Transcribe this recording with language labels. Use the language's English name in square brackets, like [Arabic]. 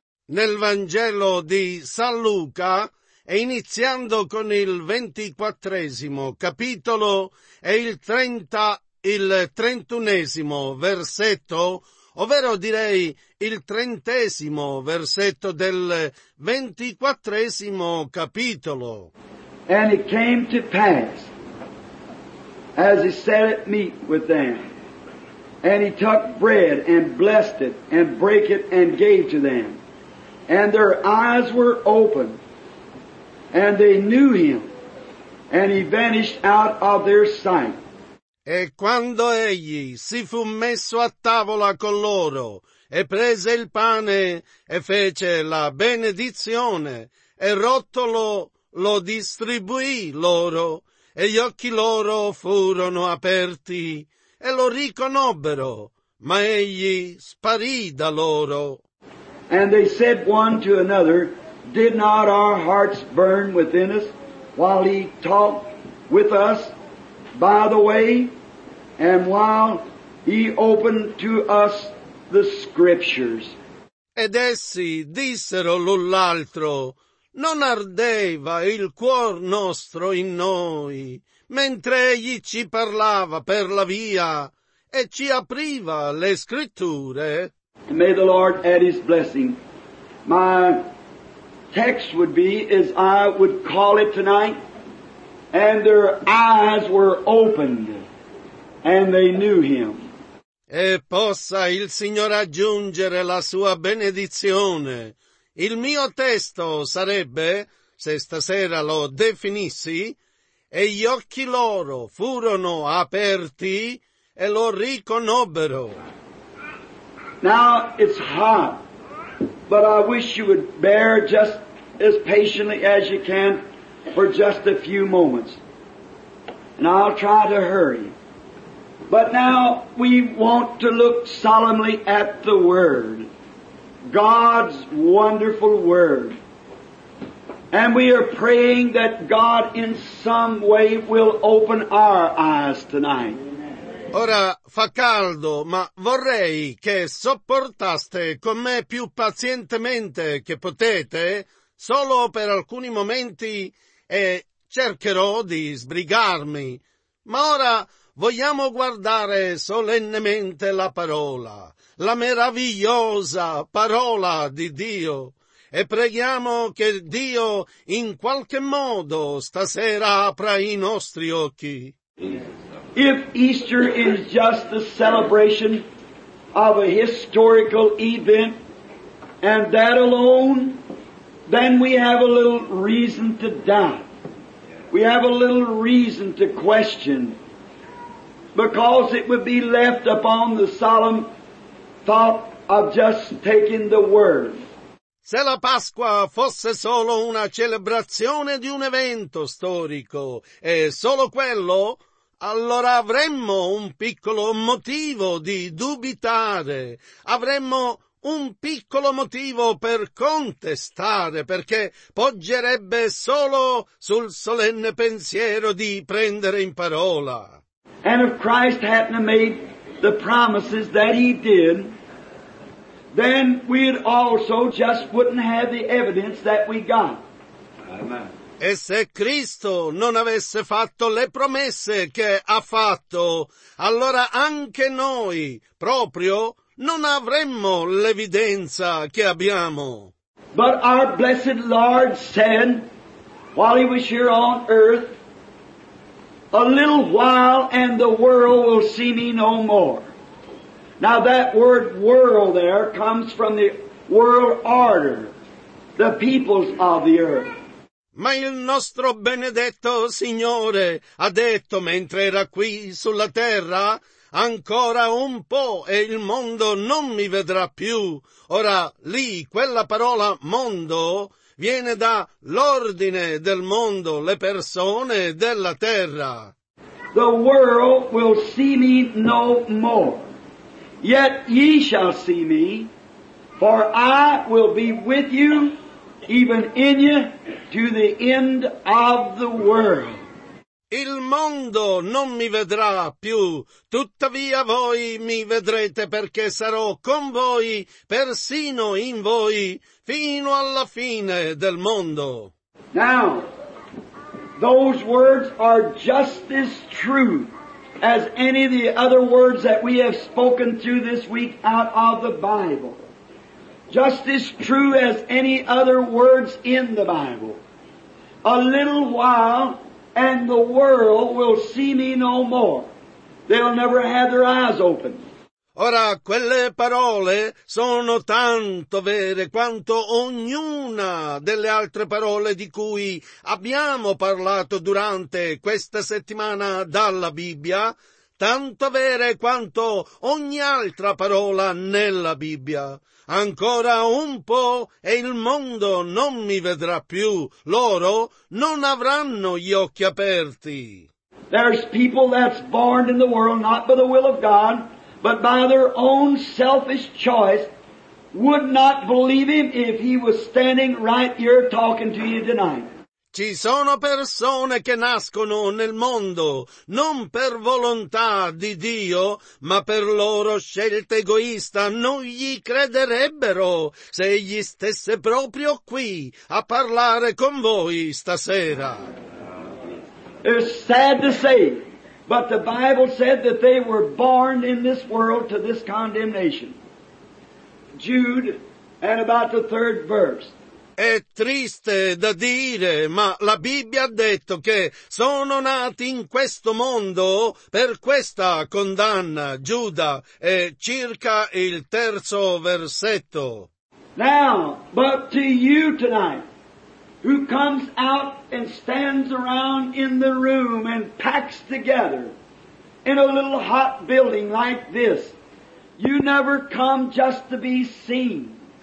[Italian] Nel Vangelo di San Luca, e iniziando con il 24esimo capitolo e il 31esimo versetto, ovvero direi il 30esimo versetto del 24esimo capitolo. [English] And it came to pass, as he sat at meat with them, and he took bread, and blessed it, and brake it, and gave to them. And their eyes were opened, and they knew him, and he vanished out of their sight. [Italian] E quando egli si fu messo a tavola con loro, e prese il pane, e fece la benedizione, e rottolo lo distribuì loro, e gli occhi loro furono aperti, e lo riconobbero, ma egli sparì da loro. [English] And they said one to another, did not our hearts burn within us, while he talked with us by the way? And while he opened to us the scriptures. [Italian] Ed essi dissero l'un l'altro, non ardeva il cuor nostro in noi, mentre egli ci parlava per la via e ci apriva le scritture. [English] And may the Lord add his blessing. My text would be, as I would call it tonight, and their eyes were opened. And they knew him. [Italian] E possa il Signore aggiungere la sua benedizione. Il mio testo sarebbe, se stasera lo definissi, e gli occhi loro furono aperti e lo riconobbero. [English] Now it's hot, but I wish you would bear just as patiently as you can for just a few moments. And I'll try to hurry. But now we want to look solemnly at the Word, God's wonderful Word. And we are praying that God in some way will open our eyes tonight. [Italian] Ora fa caldo, ma vorrei che sopportaste con me più pazientemente che potete, solo per alcuni momenti, e cercherò di sbrigarmi. Ma ora vogliamo guardare solennemente la parola, la meravigliosa parola di Dio, e preghiamo che Dio in qualche modo stasera apra i nostri occhi. [English] If Easter is just the celebration of a historical event, and that alone, then we have a little reason to doubt. We have a little reason to question. Because it would be left upon the solemn thought of just taking the word. [Italian] Se la Pasqua fosse solo una celebrazione di un evento storico, e solo quello, allora avremmo un piccolo motivo di dubitare, avremmo un piccolo motivo per contestare, perché poggerebbe solo sul solenne pensiero di prendere in parola. [English] And if Christ hadn't made the promises that he did, then we also just wouldn't have the evidence that we got. Amen. [Italian] E se Cristo non avesse fatto le promesse che ha fatto, allora anche noi proprio non avremmo l'evidenza che abbiamo. [English] But our blessed Lord said, while he was here on earth, a little while and the world will see me no more. Now that word world there comes from the world order, the peoples of the earth. [Italian] Ma il nostro benedetto Signore ha detto mentre era qui sulla terra, ancora un po' e il mondo non mi vedrà più. Ora lì quella parola mondo viene dall'ordine del mondo, le persone della terra. [English] The world will see me no more. Yet ye shall see me, for I will be with you, even in you, to the end of the world. [Italian] Il mondo non mi vedrà più, tuttavia voi mi vedrete perché sarò con voi, persino in voi, fino alla fine del mondo. [English] Now, those words are just as true as any of the other words that we have spoken through this week out of the Bible. Just as true as any other words in the Bible. A little while and the world will see me no more. They'll never have their eyes open. [Italian] Ora, quelle parole sono tanto vere quanto ognuna delle altre parole di cui abbiamo parlato durante questa settimana dalla Bibbia, tanto vere quanto ogni altra parola nella Bibbia. Ancora un po' e il mondo non mi vedrà più. Loro non avranno gli occhi aperti. [English] There's people that's born in the world not by the will of God, but by their own selfish choice, would not believe him if he was standing right here talking to you tonight. [Italian] Ci sono persone che nascono nel mondo non per volontà di Dio, ma per loro scelta egoista. Non gli crederebbero se egli stesse proprio qui a parlare con voi stasera. [English] It's sad to say, but the Bible said that they were born in this world to this condemnation. Jude, and about the third verse. [Italian] È triste da dire, ma la Bibbia ha detto che sono nati in questo mondo per questa condanna, Giuda, e circa il terzo versetto. [English] Now, but to you tonight, who comes out and stands around in the room and packs together in a little hot building like this, you never come just to be seen.